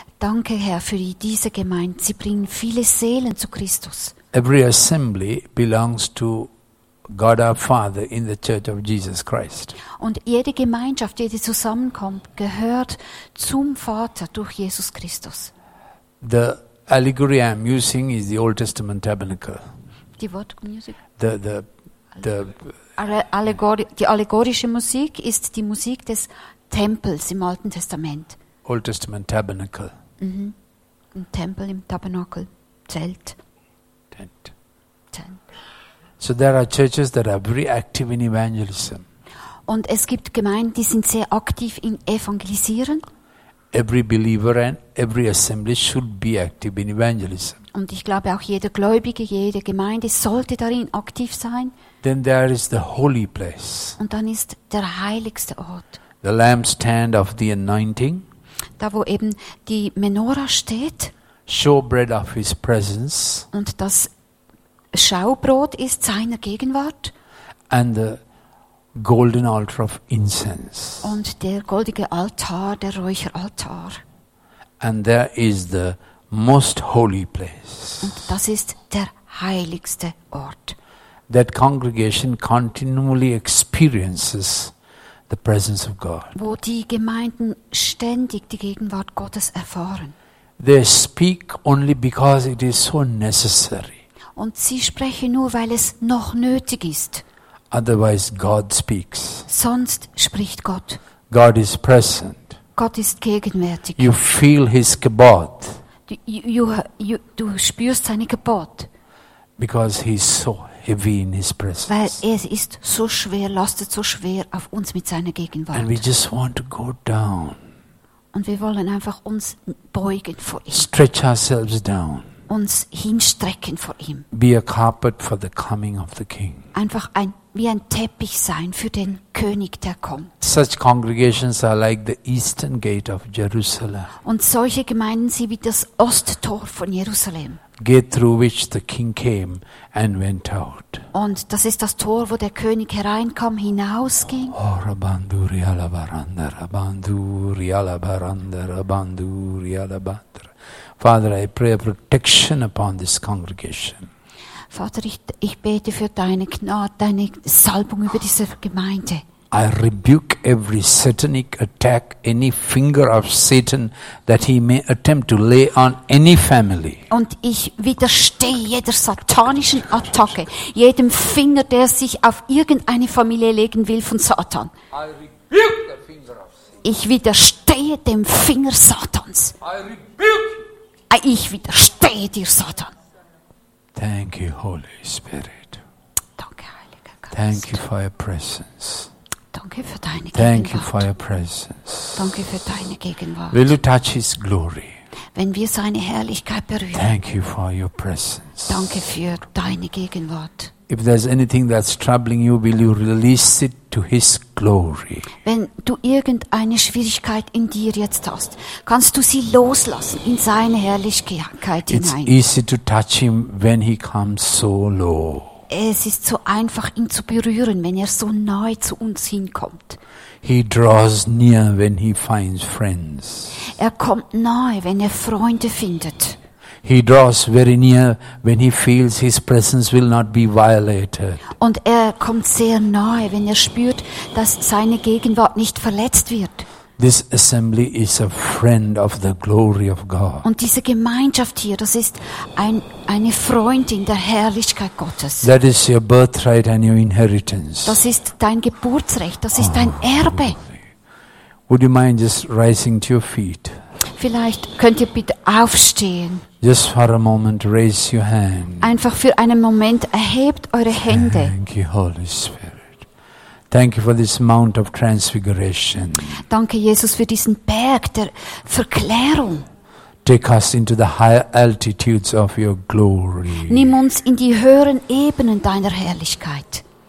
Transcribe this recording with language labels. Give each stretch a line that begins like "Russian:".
German: Danke Herr für diese Gemeinde, sie bringen viele Seelen zu Christus.
English: Every assembly belongs to God our Father in the Church of Jesus Christ.
German: Und jede Gemeinschaft, jede zusammenkommt, gehört zum Vater durch Jesus Christus.
English: The allegory I'm using is the Old Testament tabernacle.
German: Die Wortmusik. Die allegorische Musik ist die Musik des Tempels im Alten Testament.
English: Old Testament Tabernacle.
German: Ein Tempel im Tabernakel, Zelt.
English: Tent. So there are churches that are very active in evangelism.
German: Und es gibt Gemeinden, die sind sehr aktiv in Evangelisieren.
English: Every believer and every assembly should be active in evangelism.
German: Und ich glaube auch jeder Gläubige, jede Gemeinde sollte darin aktiv sein.
English: Then there is the holy place.
German: Und dann ist der heiligste Ort.
English: The lampstand of the anointing.
German: Da wo eben die Menorah steht.
English: Showbread of his presence.
German: Und das Schaubrot ist seiner Gegenwart.
English: And the golden altar of incense.
German: Und der goldige Altar, der Räucheraltar.
English: And there is the most holy place.
German: Und das ist der heiligste Ort.
English: That congregation continually experiences the presence of God.
German: Wo die Gemeinden ständig die Gegenwart Gottes erfahren.
English: They speak only because it is so necessary.
German: Und sie sprechen nur, weil es noch nötig ist.
English: Otherwise God speaks.
German: Sonst spricht Gott.
English: God is present.
German: Gott ist gegenwärtig.
English: You feel his kabod.
German: Du spürst seine Kabod.
English: Because he is so heavy in his presence.
German: Weil er ist so schwer, lastet so schwer auf uns mit seiner Gegenwart.
English: And we just want to go down.
German: Und wir wollen einfach uns beugen vor ihm.
English: Stretch ourselves down.
German: Uns hinstrecken vor ihm.
English: Be a carpet for the coming of the King.
German: Einfach ein wie ein Teppich sein für den König, der kommt.
English: Such congregations are like the eastern gate of Jerusalem.
German: Und solche Gemeinden sind wie das Osttor von Jerusalem.
English: Gate through which the king came and went out.
German: Und das ist das Tor, wo der König hereinkam, hinausging. Oh, Rabandu Riala Baranda, Rabandu Riala Baranda, Rabandu Riala Baranda.
English: Father, I pray a protection upon this congregation.
German: Vater, ich bete für deine Gnade, deine Salbung über diese Gemeinde.
English: I rebuke every satanic attack, any finger of Satan that he may attempt to lay on any family.
German: Und ich widerstehe jeder satanischen Attacke, jedem Finger, der sich auf irgendeine Familie legen will von Satan.
English: I rebuke the finger of Satan.
German: Ich widerstehe dem Finger Satans.
English: I rebuke.
German: Ich widerstehe dir, Satan.
English: Thank you, Holy Spirit.
German: Danke, Heiliger Geist.
English: Thank you for your presence.
German: Danke für deine Gegenwart.
English: Thank you for your presence.
German: Danke für deine Gegenwart.
English: Will you touch his glory?
German: wenn wir seine Herrlichkeit berühren.
English: Thank you for your presence.
German: Danke für deine Gegenwart.
English: If there's anything that's troubling you, will you release it to his glory?
German: Wenn du irgendeine Schwierigkeit in dir jetzt hast, kannst du sie loslassen in seine Herrlichkeit hinein.
English: It's easy to touch him when he comes so low.
German: Es ist so einfach, ihn zu berühren, wenn er so nahe zu uns hinkommt.
English: He draws near when he finds friends.
German: Er kommt nahe, wenn er Freunde findet.
English: He draws very near when he feels his presence will not be violated.
German: Und er kommt sehr nahe, wenn er spürt, dass seine Gegenwart nicht verletzt wird.
English: This assembly is a friend of the glory of God.
German: Und diese Gemeinschaft hier, das ist eine Freundin der Herrlichkeit Gottes.
English: That is your birthright and your inheritance.
German: Das ist dein Geburtsrecht, das ist dein Erbe.
English: Would you mind just rising to your feet?
German: Vielleicht könnt ihr bitte aufstehen.
English: Just for a moment, raise your hand.
German: Einfach für einen Moment erhebt eure Hände.
English: Thank you, Holy Spirit. Thank you for this Mount of Transfiguration.
German: Danke, Jesus, für diesen Berg der Verklärung.
English: Take us into the higher altitudes of your glory.
German: Nimm uns in die höheren Ebenen deiner Herrlichkeit.